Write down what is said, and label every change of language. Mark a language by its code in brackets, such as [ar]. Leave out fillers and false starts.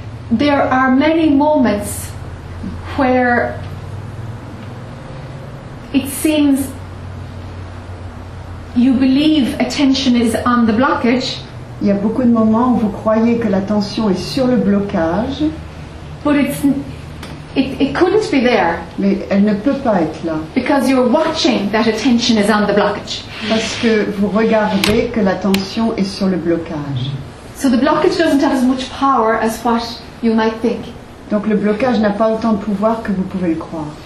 [en] There are many moments where it seems you believe attention is on the blockage. [fr] Il y a beaucoup de moments où vous croyez que l'attention est sur le blocage. [en] But it couldn't be there. [fr] Mais elle ne peut pas être là. [en] Because you're watching that attention is on the blockage. [fr] Parce que vous regardez que l'attention est sur le blocage. [en] So the blockage doesn't have as much power as what you might think. [fr] Donc le blocage n'a pas autant de pouvoir que vous pouvez le croire.